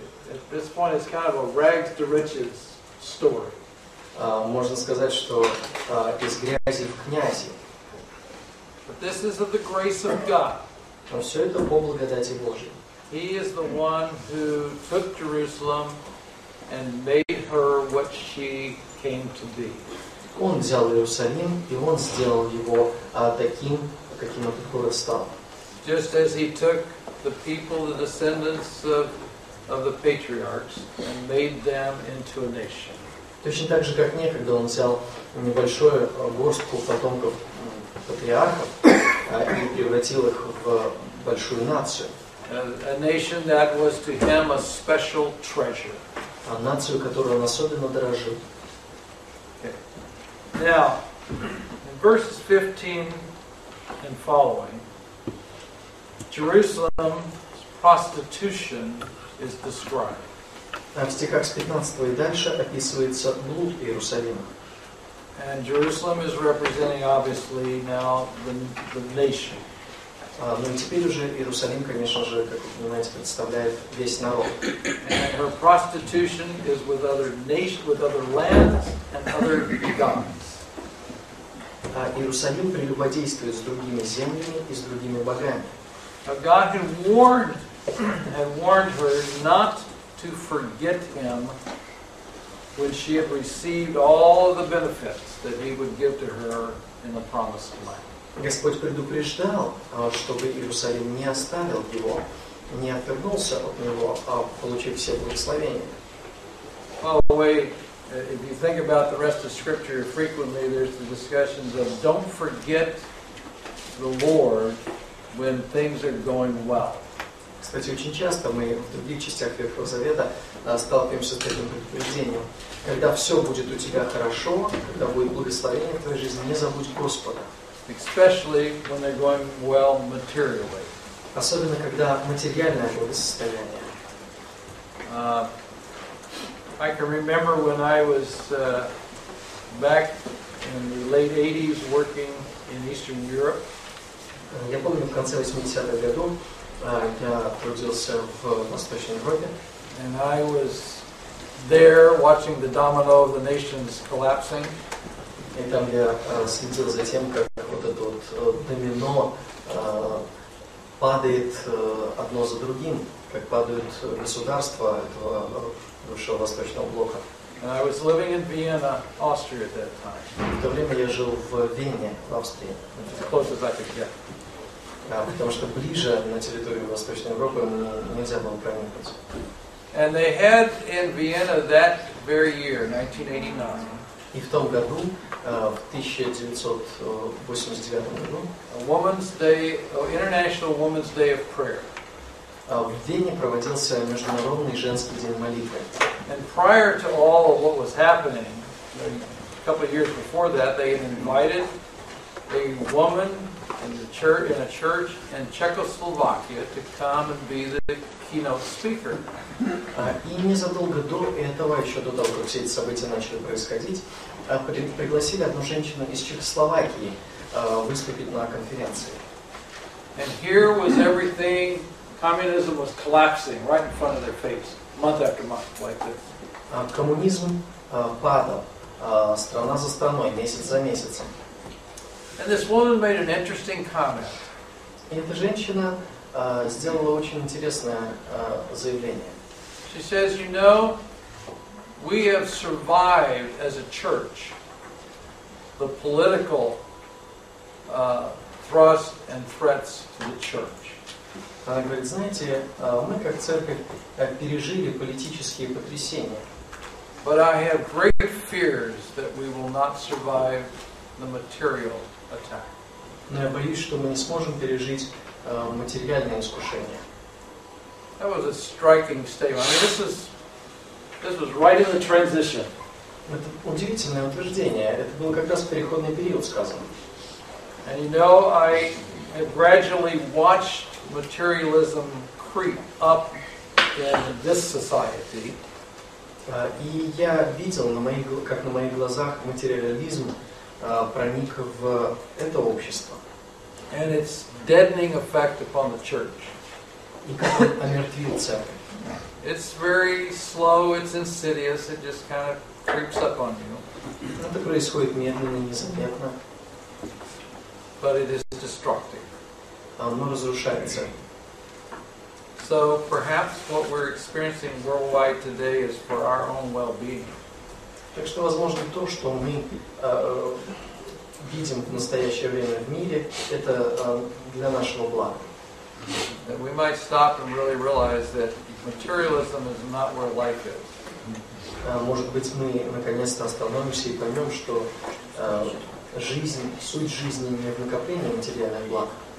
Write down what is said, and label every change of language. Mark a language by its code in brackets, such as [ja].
[en] At this point, it's kind of a rags-to-riches story. [ru] Можно сказать, что из грязи в князи. [en] But this is of the grace of God. [ru] Но все это по благодати Божьей. [en] He is the one who took Jerusalem and made her what she came to be. [ru] Он взял Иерусалим, и он сделал его таким, каким этот город стал. [en] Just as he took the people, the descendants of the patriarchs, and made them into a nation. [ru] Точно так же, как некогда он взял небольшую горстку потомков патриархов и превратил их в большую нацию. [en] A nation that was to him a special treasure. [ru] А нацию, которую он особенно дорожил. [en] Okay. Now, in verses 15 and following, Jerusalem's prostitution is described. [ru] В стихах с 15 и дальше описывается блуд Иерусалима. [en] And Jerusalem is representing obviously now the nation. [ru] Но теперь уже Иерусалим, конечно же, как вы понимаете, представляет весь народ. [en] And her prostitution is with other nations, with other lands and other gods. [ru] Иерусалим прелюбодействует с другими землями и с другими богами. [en] A God who warned her not to forget him when she had received all of the benefits that he would give to her in the promised land. [ru] Господь предупреждал, чтобы Иерусалим не оставил его, не отвернулся от него, получив все благословения. [en] By the way, if you think about the rest of Scripture, frequently there's the discussions of don't forget the Lord when things are going well. [ru] Кстати, очень часто мы в других частях Ветхого Завета сталкиваемся с таким предупреждением. Когда все будет у тебя хорошо, когда будет благословение в твоей жизни, не забудь Господа. [en] Especially when they're going well materially. [ru] Особенно, когда материальное благосостояние. [en] I can remember when I was back in the late 80s working in Eastern Europe. [ru] Я помню, в конце 80-х годов я трудился в Восточной Европе. [en] And I was there watching the domino of the nations collapsing. [ru] И там я следил за тем, как вот это вот домино падает одно за другим, как падают государства этого бывшего восточного блока. [en] And I was living in Vienna, Austria at that time. [ru] В то время я жил в Вене, в Австрии. [en] As close as I could get. [ru] Потому что ближе на территорию Восточной Европы нельзя было проникнуть. [en] And they had in Vienna that very year, 1989. [ru] И в том году, в 1989 году, [en] a Women's Day, International Women's Day of Prayer. [ru] В Вене проводился Международный женский день молитвы. [en] And prior to all of what was happening, a couple of years before that, they had invited a woman in the church, in a church in Czechoslovakia to come and be the keynote speaker. [ru] И незадолго до этого, еще до того, как все эти события начали происходить, пригласили одну женщину из Чехословакии выступить на конференции. [en] And here was everything, communism was collapsing right in front of their face. Month after month, like this. [ru] Коммунизм падал, страна за страной, месяц за месяцем. [en] And this woman made an interesting comment. [ru] И эта женщина сделала очень интересное заявление. [en] She says, "You know, we have survived as a church the political thrust and threats to the church." [ru] Она говорит, знаете, мы как церковь пережили политические потрясения. [en] But I have great fears that we will not survive the material attack. [ru] Но я боюсь, что мы не сможем пережить материальное искушение. [en] That was a striking statement. I mean, this was right in the transition. [ru] Это удивительное утверждение. Это было как раз переходный период сказано. [en] And you know, I have gradually watched materialism creep up in this society. [ru] И я видел на моих, как на моих глазах материализм проник в это общество. [en] And its deadening effect upon the church. [ru] И как он омертвил церковь. [en] It's very slow, it's insidious, it just kind of creeps up on you. [ru] Это происходит медленно, незаметно. [en] But it is destructive. [ru] Оно разрушается. [en] So perhaps what we're experiencing worldwide today is for our own well-being. [ru] Так что, возможно, то, что мы видим в настоящее время в мире, это для нашего блага. [en] That we might stop and really realize that materialism is not where life is. [ru] Может быть, мы наконец-то остановимся и поймем, что жизнь, суть жизни не в накоплении материальных благ.